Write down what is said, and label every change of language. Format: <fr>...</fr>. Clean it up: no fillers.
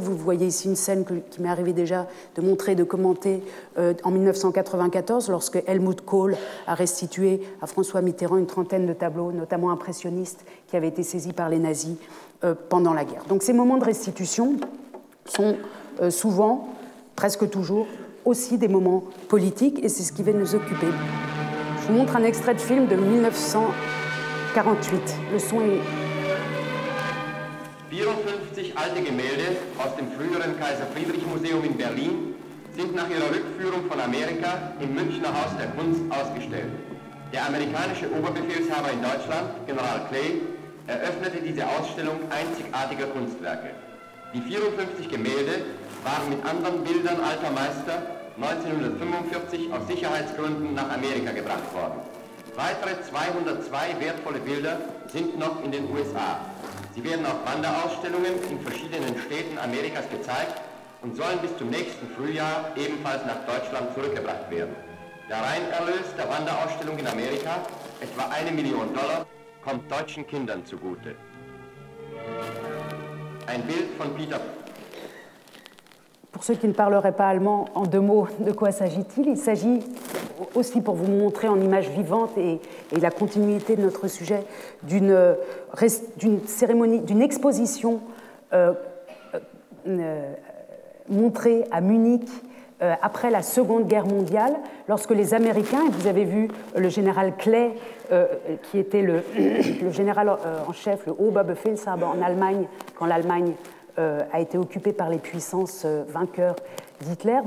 <fr>Vous voyez ici une scène qui m'est arrivée déjà de montrer, de commenter en 1994, lorsque Helmut Kohl a restitué à François Mitterrand une trentaine de tableaux, notamment impressionnistes, qui avaient été saisis par les nazis pendant la guerre. Donc, ces moments de restitution sont souvent, presque toujours, aussi des moments politiques, et c'est ce qui va nous occuper. Je vous montre un extrait de film de 1900. 48. Le son est...</fr> <de>54 alte Gemälde aus dem früheren Kaiser Friedrich Museum in Berlin sind nach ihrer Rückführung von Amerika im Münchner Haus der Kunst ausgestellt. Der amerikanische Oberbefehlshaber in Deutschland, General Clay, eröffnete diese Ausstellung einzigartiger Kunstwerke. Die 54 Gemälde waren mit anderen Bildern alter Meister 1945 aus Sicherheitsgründen nach Amerika gebracht worden. Weitere 202 wertvolle Bilder sind noch in den USA. Sie werden auf Wanderausstellungen in verschiedenen Städten Amerikas gezeigt und sollen bis zum nächsten Frühjahr ebenfalls nach Deutschland zurückgebracht werden. Der Reinerlös der Wanderausstellung in Amerika, etwa 1 Million Dollar, kommt deutschen Kindern zugute. Ein Bild von Peter.</de> <fr>Pour ceux qui ne parleraient pas allemand, en deux mots, de quoi s'agit-il ? Il s'agit aussi, pour vous montrer en images vivantes et la continuité de notre sujet, d'une exposition montrée à Munich après la Seconde Guerre mondiale, lorsque les Américains, et vous avez vu le général Clay, qui était le général en chef, le Oberbefehlshaber en Allemagne, quand l'Allemagne a été occupé par les puissances vainqueurs d'Hitler.</fr>